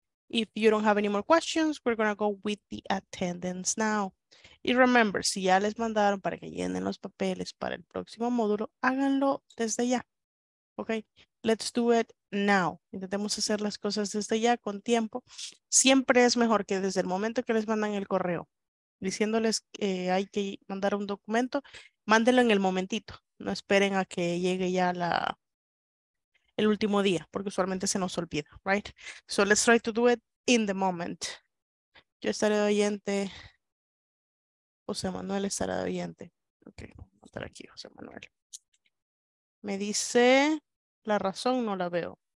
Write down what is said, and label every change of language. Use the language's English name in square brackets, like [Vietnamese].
[English] If you don't have any more questions, we're going to go with the attendance now. [Spanish] Y remember, si ya les mandaron para que llenen los papeles para el próximo módulo, háganlo desde ya. [English] Ok, let's do it now. [Spanish] Intentemos hacer las cosas desde ya con tiempo. Siempre es mejor que desde el momento que les mandan el correo, diciéndoles que hay que mandar un documento, mándenlo en el momentito. No esperen a que llegue ya el último día, porque usualmente se nos olvida, right? [English] So let's try to do it in the moment. [Spanish] Yo estaré de oyente. José Manuel estará de oyente. Ok, voy a estar aquí, José Manuel. Me dice la razón, no la veo.